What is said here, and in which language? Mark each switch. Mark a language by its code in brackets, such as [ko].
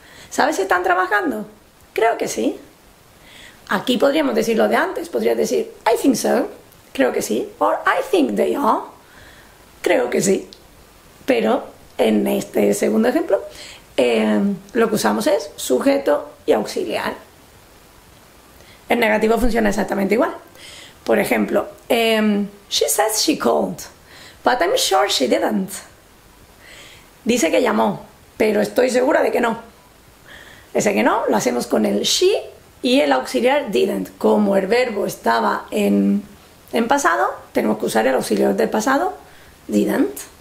[es] ¿Sabes si están trabajando? Creo que sí. Aquí podríamos decir lo de antes, podrías decir [en] I think so, [es] creo que sí. O [en] I think they are, [es] creo que sí. Pero en este segundo ejemplo, lo que usamos es sujeto y auxiliar. En negativo funciona exactamente igual. Por ejemplo, [en] she says she called, but I'm sure she didn't. [es] Dice que llamó, pero estoy segura de que no. Ese que no lo hacemos con el she y el auxiliar didn't. Como el verbo estaba en pasado, tenemos que usar el auxiliar del pasado, didn't.